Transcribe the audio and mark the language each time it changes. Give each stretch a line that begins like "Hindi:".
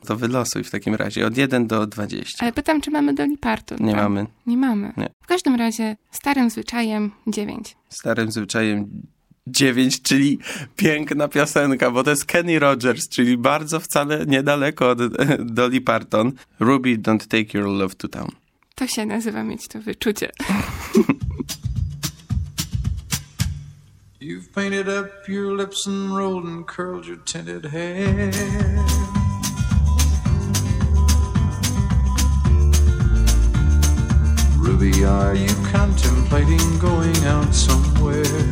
Polish: To wylosuj w takim razie, od 1 do 20. Ale pytam, czy mamy Dolly Parton? Nie mamy. Nie mamy. Nie. W każdym razie starym zwyczajem 9. Starym zwyczajem 9, czyli piękna piosenka, bo to jest Kenny Rogers, czyli bardzo wcale niedaleko od Dolly Parton.
English: Ruby, don't take your love to town.
Polish: To się nazywa mieć to wyczucie.
English: You've painted up your lips and rolled and curled your tinted hair. Ruby, are you contemplating going out somewhere?